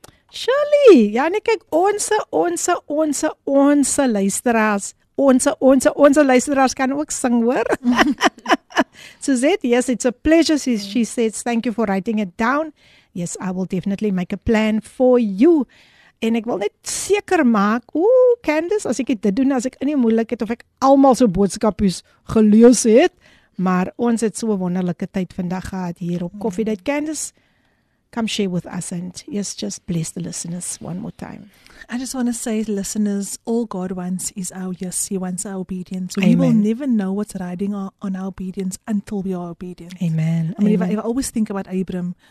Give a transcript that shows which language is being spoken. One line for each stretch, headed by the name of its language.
Afrikaans: Shirley, ja, nee, kyk, onse luisteraars, onse luisteraars kan ook sing, hoor.
English: Suzette, yes, it's a pleasure, she says, thank you for writing it down. Yes, I will definitely make a plan for you.
Afrikaans: En ek wil net seker maak, Candace, as ek dit doen, as ek in die moeilikheid, of ek almal so boodskapies gelees het, maar ons het so 'n wonderlike tyd vandag gehad hier op Koffiedייט.
English: Candace, come share with us, and yes, just bless the listeners one more time. I just want to say, listeners, all God wants is our yes, He wants our obedience. Amen. We will never know what's riding on our obedience until we are obedient. Amen. I mean, Amen. If I always think about Abram,